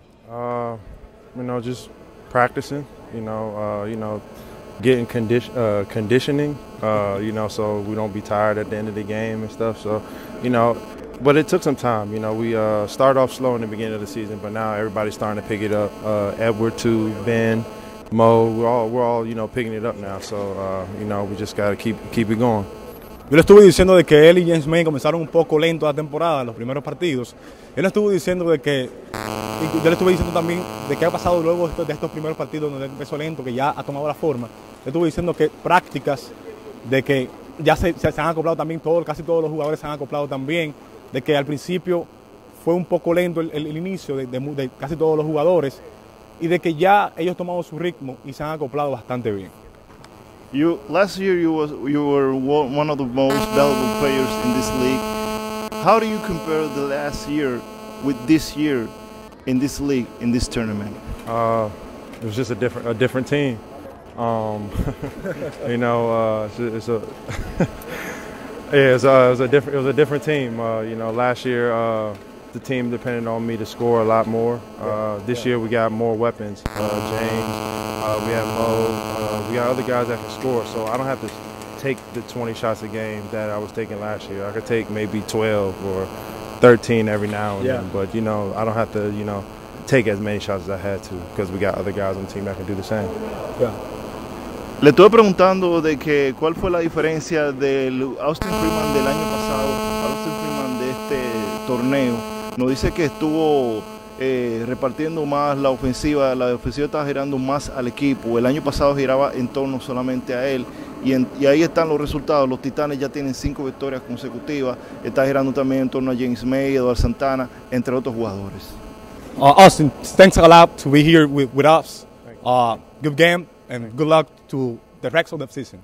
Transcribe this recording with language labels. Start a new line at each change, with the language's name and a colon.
English: You know, just practicing, you know, getting conditioning, you know, so we don't be tired at the end of the game and stuff. So, you know, but it took some time. You know, we started off slow in the beginning of the season, but now everybody's starting to pick it up. Edward, too, Ben, Mo, we're all, you know, picking it up now. So, you know, we just got to keep it going.
Spanish: Yo le estuve diciendo de que él y James May comenzaron un poco lento la temporada, los primeros partidos. Él estuvo diciendo de que, yo le estuve diciendo también de que ha pasado luego de estos primeros partidos donde empezó lento, que ya ha tomado la forma. Le estuve diciendo que prácticas, de que ya se han acoplado también todos, casi todos los jugadores se han acoplado también, de que al principio fue un poco lento el inicio de casi todos los jugadores y de que ya ellos tomaron su ritmo y se han acoplado bastante bien.
English: Last year you were one of the most valuable players in this league. How do you compare the last year with this year in this league, in this tournament? It was just a different team. you know, it was a different team. You know, last year the team depended on me to score a lot more. This year we got more weapons. James, we have Mo. We got other guys that can score, so I don't have to take the 20 shots a game that I was taking last year. I could take maybe 12 or 13 every now and then, but, you know, I don't have to, you know, take as many shots as I had to because we got other guys on the team that can do the same.
Spanish: Le estoy preguntando de que cuál fue la diferencia del Austin Freeman del año pasado al Austin Freeman de este torneo. Nos dice que estuvo repartiendo más la ofensiva está girando más al equipo. El año pasado giraba en torno solamente a él y ahí están los resultados. Los Titanes ya tienen cinco victorias consecutivas, está girando también en torno a James May, Eduardo Santana, entre otros jugadores.
English: Austin, thanks a lot to be here with us. Good game and good luck to the rest of the season.